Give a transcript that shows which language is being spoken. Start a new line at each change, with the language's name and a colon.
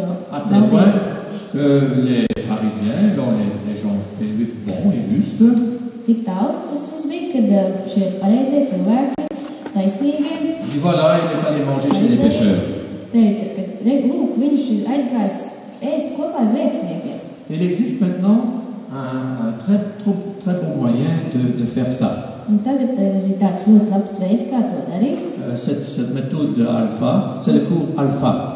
French: À tel point que les pharisiens, les gens, les juifs bons et justes,
Latvian: tik tālu, tas viss bija, kad šie pareizie cilvēki, taisnīgi.
French: Voilà, il est allé manger chez les pêcheurs.
Latvian: Teica, ka lūk, viņš ir aizgājis ēst kopā ar grēciniekiem.
French: Il existe maintenant un très bon moyen de faire ça.
Latvian: Un tagad ir tāds ļoti labs veids, kā to darīt.
French: Cette méthode alpha, c'est le cours alpha.